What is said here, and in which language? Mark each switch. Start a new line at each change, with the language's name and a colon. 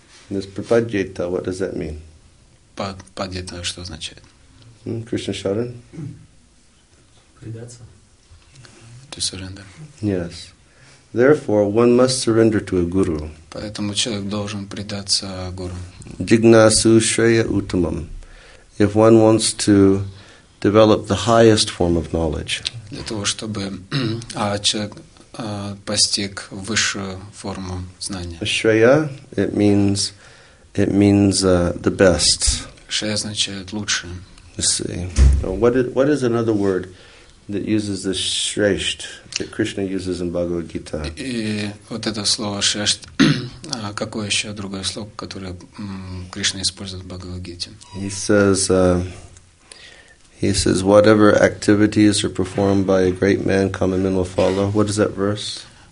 English: This prapadyeta, what does that mean?
Russian: Падьета, что означает?
English: Krishna Sharan? To surrender. Yes. Therefore, one must surrender to a guru.
Russian: Поэтому человек должен предаться гуру.
Sanskrit: Jignasu shreya uttamam.
English: If one wants to develop the highest form of knowledge,
Russian: для того чтобы человек постиг высшую форму знания.
English: Shreya, it means the best.
Russian: Shreya означает лучшее.
English: Let's see. Now, what is another word that uses the shresht that Krishna uses in Bhagavad Gita?
Russian: И вот это слово shresht. Какое еще другое слово, которое Кришна использует в Бхагавад-гите?
English: He says, whatever activities are performed by a great man, common men will follow. What is that verse?